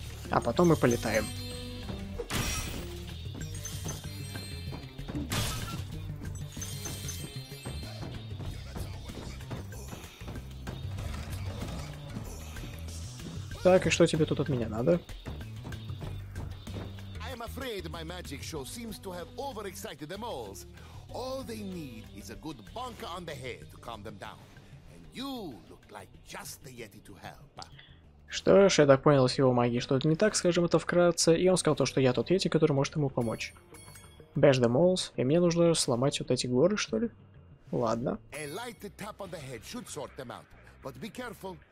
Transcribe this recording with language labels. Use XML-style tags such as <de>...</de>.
<ru>А потом мы полетаем. Так, и что тебе тут от меня надо?</ru> <en>I'm afraid my magic show seems to have overexcited the moles. All they need is a good bonk on the head to calm them down. And you look like just the yeti to help.</en> <ru>Что ж, я так понял, с его магией что-то не так, скажем это вкратце, и он сказал то, что я тот yeti, который может ему помочь.</ru> <en>Bash the moles,</en> <ru>и мне нужно сломать вот эти горы, что ли? Ладно.</ru> <en>A light tap on the head should sort them out, but be careful.</en>